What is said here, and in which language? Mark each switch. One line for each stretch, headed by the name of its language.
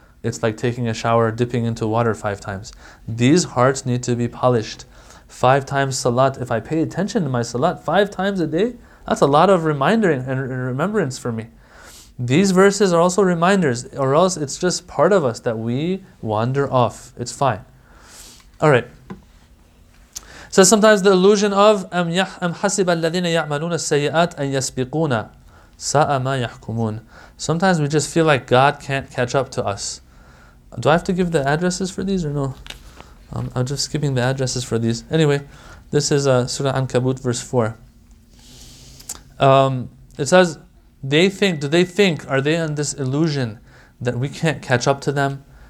English: It's like taking a shower, dipping into water 5 times. These hearts need to be polished. 5 times salat. If I pay attention to my salat 5 times a day, that's a lot of remindering and remembrance for me. These verses are also reminders, or else it's just part of us that we wander off. It's fine. All right. So sometimes the illusion of
Arabic: أَمْ حَسِبَ الَّذِينَ يَعْمَلُونَ السَّيِّئَاتِ أَنْ يَسْبِقُونَ سَاءَ مَا يَحْكُمُونَ.
English: Sometimes we just feel like God can't catch up to us. Do I have to give the addresses for these or no? I'm just skipping the addresses for these. Anyway, this is Surah An-Kabut, verse 4. It says, are they in this illusion that we can't catch up to them?